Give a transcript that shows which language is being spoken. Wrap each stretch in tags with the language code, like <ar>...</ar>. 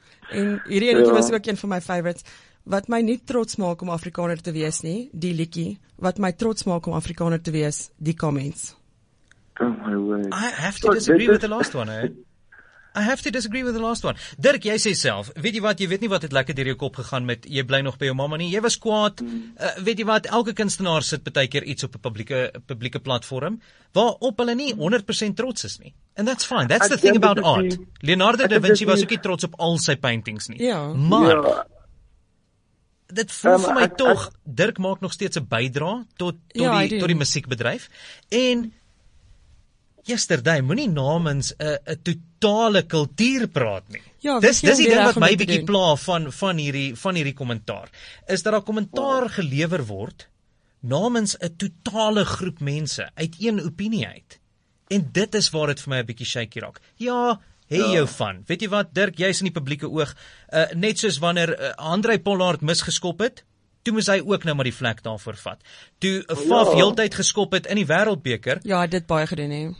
<af>En hierdie ene was ook een van my favorites. Wat my nie trots maak om Afrikaner te wees nie, die liedjie. Wat my trots maak om Afrikaner te wees, die comments.</af> <en>Oh my word. I have to disagree with the last one, eh? I have to disagree with the last one.</en> <af>Dirk, jy sê self, weet jy wat, jy weet nie wat het lekker deur jou kop gegaan met jy bly nog by jou mama nie, jy was kwaad. Weet jy wat, elke kunstenaar sit baie keer iets op 'n publieke platform, waarop hulle nie 100% trots is nie.</af> <en>And that's fine. That's the thing about art.</en> <af>Leonardo da Vinci was ook nie trots op al sy paintings nie.</af> <en>Yeah.</en> <af>Maar, dit voel vir my toch, Dirk maak nog steeds 'n bydra tot die musiekbedryf. En, yesterday, moet nie namens 'n totale kultuur praat nie. Ja, dis die ding wat my bietjie pla van hierdie kommentaar. Is dat daar kommentaar gelever word namens 'n totale groep mense uit een opinie uit. En dit is waar dit vir my 'n bietjie shaky raak. Ja, jou van. Weet jy wat, Dirk, jy is in die publieke oog. Net soos wanneer Andre Pollard misgeskop het, toe moes hy ook nou maar die vlek daarvoor vat. Toe Faf heeltyd geskop het in die wêreldbeker. Ja, dit baie gedoen hè.</af>